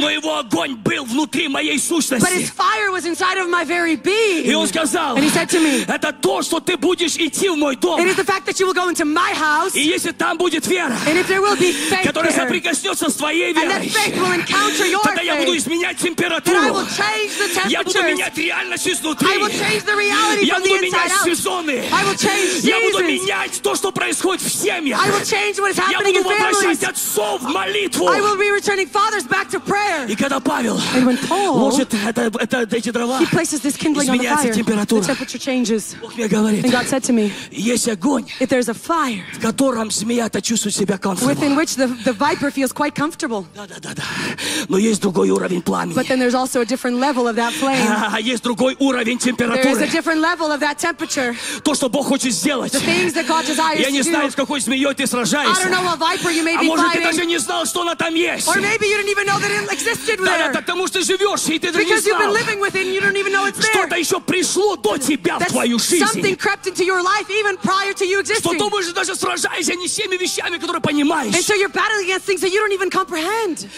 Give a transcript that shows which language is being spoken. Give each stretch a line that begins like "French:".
Russian: Но его огонь был внутри моей сущности.
English: But his fire was inside of my very being.
Russian: И он сказал,
English: and he said to me,
Russian: это то, что ты будешь идти в мой дом.
English: It is the fact that you will go into my house.
Russian: И если там будет вера,
English: and if there will be faith,
Russian: которая соприкоснется с твоей верой,
English: and that faith will encounter your
Russian: тогда я буду изменять температуру.
English: Then I will change the temperatures.
Russian: Я буду менять реальность изнутри.
English: I will change the reality.
Russian: Я буду менять сезоны. Я буду менять то, что происходит в семьях. Я буду возвращать отцов в молитву.
English: I will be returning fathers back to prayer.
Russian: И когда Павел
English: and when Paul
Russian: ложит эти дрова,
English: he places this kindling on the fire.
Russian: Изменяется температура.
English: The temperature changes.
Russian: Бог мне говорит,
English: and God said to me,
Russian: есть огонь,
English: if there's a fire,
Russian: в котором змея-то чувствует себя комфортно.
English: Within which the viper feels quite comfortable.
Russian: Да. Но есть другой уровень пламени.
English: But then there's also a different level of that flame.
Russian: Есть другой уровень температуры.
English: Different level of that temperature.
Russian: То, что Бог хочет сделать.
English: The things that God desires
Russian: Я не знаю, с какой змеей ты сражаешься.
English: I don't know what viper you may be
Russian: а может,
English: fighting.
Russian: Ты даже не знал, что она там есть.
English: Or maybe you didn't even know that it existed with
Russian: да, да, потому что живешь, и ты
English: Because
Russian: не знал.
English: You've been living with it and you don't even know it's there.
Russian: Что-то еще пришло до тебя
English: that
Russian: в твою жизнь.
English: Something crept into your life even prior to you existing.
Russian: Что-то может, даже сражаешься не с теми вещами, которые понимаешь.
English: And so you're battling against things that you don't even comprehend.